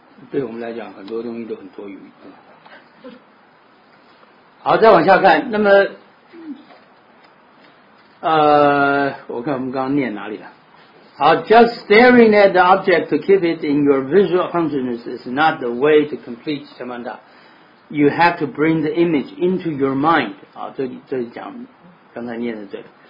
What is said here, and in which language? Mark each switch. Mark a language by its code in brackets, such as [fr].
[zh] 对我们来讲，很多东西都很多余。好，再往下看。那么，我看我们刚刚念哪里了？ [en] Just staring at the object to keep it in your visual consciousness is not the way to complete shamatha. You have to bring the image into your mind. [zh] 好，这里讲刚才念的这个。